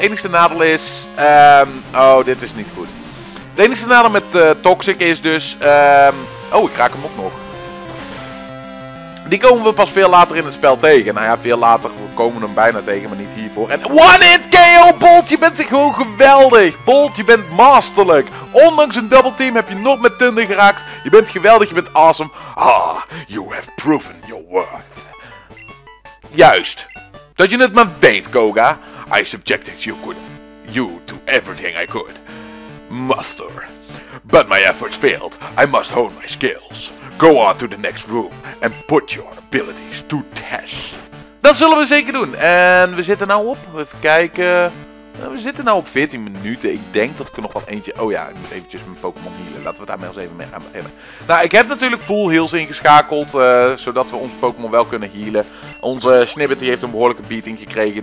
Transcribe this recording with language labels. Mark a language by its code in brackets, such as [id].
[nl] Het enige nadeel is... oh, dit is niet goed. Het enige nadeel met toxic is dus... oh, ik raak hem ook nog. Die komen we pas veel later in het spel tegen. Nou ja, veel later komen we hem bijna tegen, maar niet hiervoor. En one hit KO, Bolt, je bent gewoon geweldig. Bolt, je bent masterlijk. Ondanks een double team heb je nog met Thunder geraakt. Je bent geweldig, je bent awesome. [en] Ah, you have proven your worth. [nl] Juist. Dat je het maar weet, Koga. [en] I subjected you to everything I could. Master. But my efforts failed. I must hone my skills. Go on to the next room and put your abilities to test. [nl] Dat zullen we zeker doen. En we zitten nou op, even kijken. We zitten nou op 14 minuten. Ik denk dat ik er nog wel eentje... Oh ja, ik moet eventjes mijn Pokémon healen. Laten we daarmee eens even mee gaan beginnen. Nou, ik heb natuurlijk full heals ingeschakeld. Zodat we onze Pokémon wel kunnen healen. Onze Snibbit heeft een behoorlijke beating gekregen.